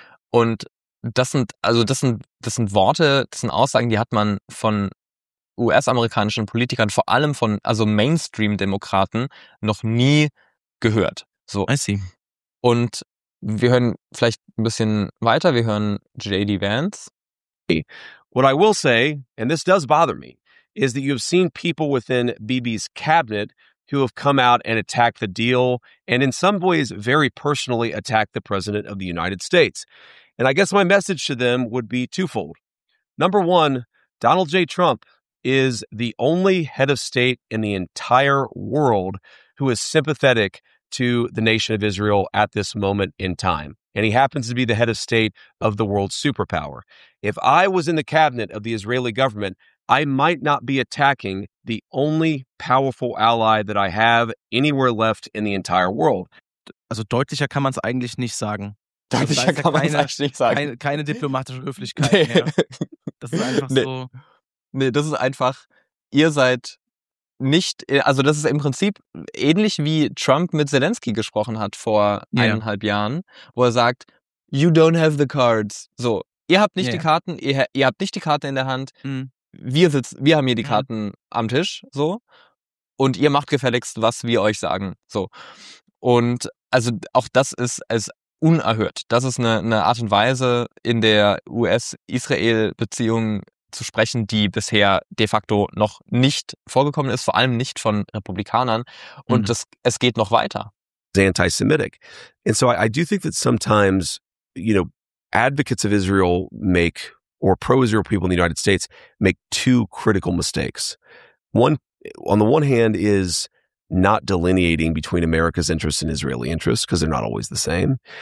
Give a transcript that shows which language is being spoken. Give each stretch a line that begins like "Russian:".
German: Und das sind Worte, das sind Aussagen, die hat man von US-amerikanischen Politikern, vor allem von, also Mainstream-Demokraten, noch nie gehört. So.
English: I see.
German: Und wir hören vielleicht ein bisschen weiter. Wir hören J.D. Vance.
English: What I will say, and this does bother me, is that you've seen people within Bibi's cabinet who have come out and attacked the deal and in some ways very personally attacked the president of the United States. And I guess my message to them would be twofold. Number one, Donald J. Trump is the only head of state in the entire world who is sympathetic to the nation of Israel at this moment in time. And he happens to be the head of state of the world superpower. If I was in the cabinet of the Israeli government, I might not be attacking the only powerful ally that I have anywhere left in the entire world.
German: Also deutlicher kann man es eigentlich nicht sagen. Deutlicher kann man es eigentlich nicht sagen. Keine diplomatische Höflichkeit mehr. Das ist einfach so. Nee, das ist einfach, ihr seid nicht, also das ist im Prinzip ähnlich wie Trump mit Zelensky gesprochen hat vor eineinhalb Jahren, wo er sagt,
English: you don't have the cards.
German: So, ihr habt nicht die Karten, ihr habt nicht die Karte in der Hand, wir haben hier die Karten am Tisch, so, und ihr macht gefälligst, was wir euch sagen, so. Und also auch das ist unerhört. Das ist eine Art und Weise in der US-Israel-Beziehung zu sprechen, die bisher de facto noch nicht vorgekommen ist, vor allem nicht von Republikanern. Und es geht noch weiter.
English: Anti-Semitic. And so I do think that sometimes, you know, advocates of Israel make, or pro-Israel people in the United States make two critical mistakes. One, on the one hand, is not delineating between America's interests and Israeli interests, because they're not always the same.